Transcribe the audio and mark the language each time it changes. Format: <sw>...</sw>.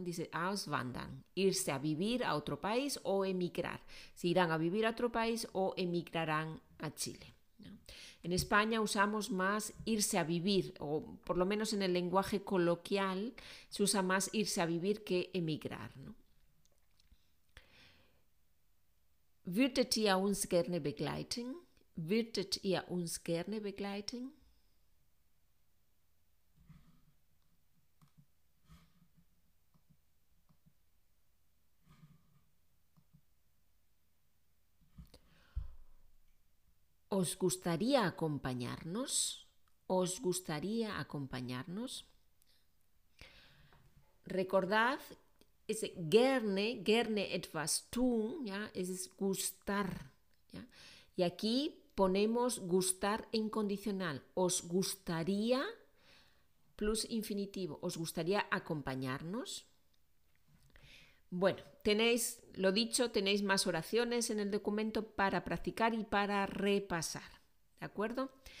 <es>Dice auswandern, irse a vivir a otro país o emigrar. Se irán a vivir a otro país o emigrarán a Chile. ¿No? En España usamos más irse a vivir, o por lo menos en el lenguaje coloquial se usa más irse a vivir que emigrar, ¿no?</es> <de>Würdet ihr uns gerne begleiten? Würdet ihr uns gerne begleiten?</de> <es>Os gustaría acompañarnos? Os gustaría acompañarnos? Recordad.</es> <de>Es gerne, gerne etwas tun, ¿ya?</de> <es>Es gustar, ¿ya? Y aquí ponemos gustar en condicional. Os gustaría, plus infinitivo, os gustaría acompañarnos. Bueno, tenéis, lo dicho, tenéis más oraciones en el documento para practicar y para repasar, ¿de acuerdo?</es>